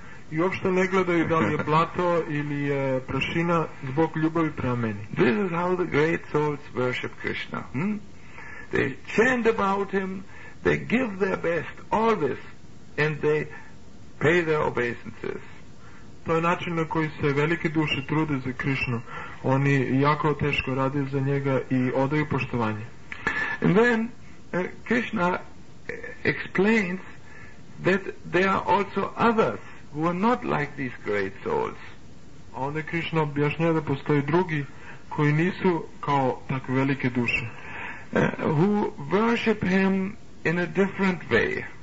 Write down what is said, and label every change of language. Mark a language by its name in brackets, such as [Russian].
[Serbian] I uopšte ne gledaju da li je blato ili je prašina zbog ljubavi prema meni. [English] This is how the great souls worship Krishna. They chant about him, they give their best, all this, and they pay their obeisances. [Serbian] To je način na koji se velike duše trude za Krishnu. Oni jako teško rade za njega i odaju poštovanje. [English] And then Krishna explains that there are also others who are not like these great souls. [Serbian] A onda Krishna objašnja da postoji drugi koji nisu kao takve velike duše. [English] Who worship him in a different way.